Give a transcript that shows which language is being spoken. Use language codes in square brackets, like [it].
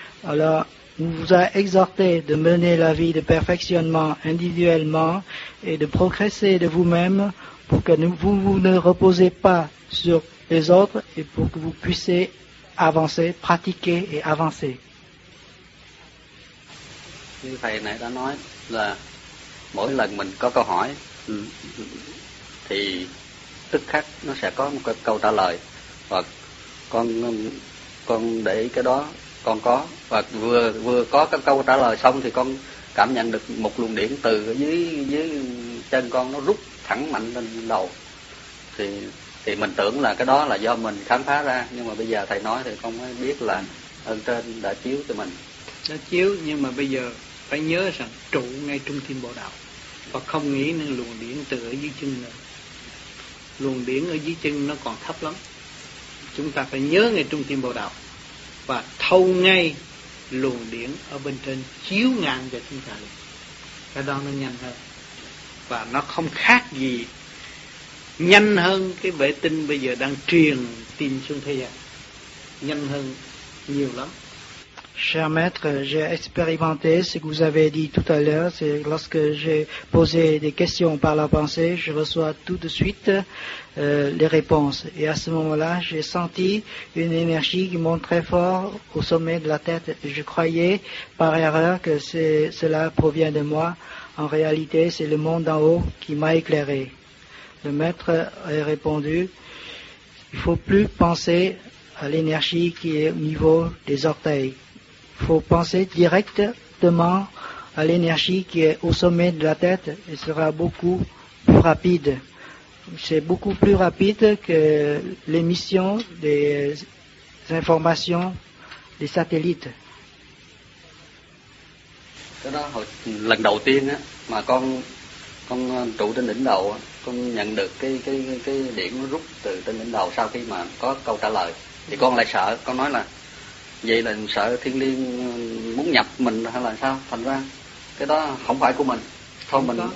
[fr] Alors, on vous a exhorté de mener la vie de perfectionnement individuellement et de progresser de vous-même pour que vous ne reposez pas sur les autres et pour que vous puissiez avancer, pratiquer et avancer. [vi] như thầy này đã nói là mỗi lần mình có câu hỏi thì tức khắc nó sẽ có một cái câu trả lời, và con để ý cái đó con có, và vừa có cái câu trả lời xong thì con cảm nhận được một luồng điện từ dưới chân con nó rút thẳng mạnh lên đầu, thì mình tưởng là cái đó là do mình khám phá ra, nhưng mà bây giờ thầy nói thì con mới biết là ơn trên đã chiếu cho mình. Đã chiếu, nhưng mà bây giờ phải nhớ rằng trụ ngay trung tâm bộ đạo và không nghĩ nên luồng điện từ ở dưới chân nữa. Luồng điện ở dưới chân nó còn thấp lắm. Chúng ta phải nhớ ngay trung tâm bộ đạo và thâu ngay luồng điện ở bên trên chiếu ngang về chúng ta. Cái đó nó nhanh hơn. Và nó không khác gì nhanh hơn cái vệ tinh bây giờ đang truyền tin xuống thế gian. Nhanh hơn nhiều lắm. [fr] Cher maître, j'ai expérimenté ce que vous avez dit tout à l'heure, c'est lorsque j'ai posé des questions par la pensée, je reçois tout de suite les réponses. Et à ce moment-là, j'ai senti une énergie qui monte très fort au sommet de la tête. Je croyais par erreur que cela provient de moi. En réalité, c'est le monde d'en haut qui m'a éclairé. Le maître a répondu, il ne faut plus penser à l'énergie qui est au niveau des orteils. Il faut penser directement à l'énergie qui est au sommet de la tête et sera beaucoup plus rapide. C'est beaucoup plus rapide que l'émission des informations des satellites. [vi] Cái đó lần đầu tiên á mà con trụ trên đỉnh đầu, con nhận được cái điểm rút từ trên đỉnh đầu sau khi mà có câu trả lời, thì con lại sợ, con nói là vậy là sợ thiên liên muốn nhập mình hay là sao, thành ra cái đó không phải của mình, thôi mình